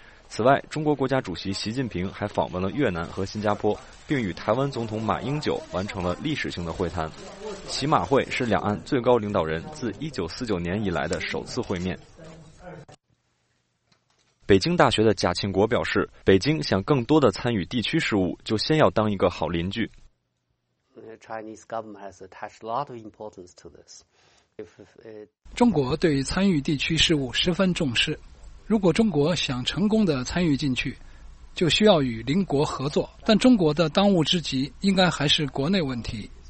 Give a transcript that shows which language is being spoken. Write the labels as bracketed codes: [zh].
[zh] 此外，中国国家主席习近平还访问了越南和新加坡，并与台湾总统马英九完成了历史性的会谈。习马会是两岸最高领导人自1949年以来的首次会面。北京大学的贾庆国表示，北京想更多的参与地区事务，就先要当一个好邻居。 [en] Chinese government has attached a lot of importance to this. [zh] 中国对于参与地区事务十分重视。如果中国想成功的参与进去，就需要与邻国合作，但中国的当务之急应该还是国内问题。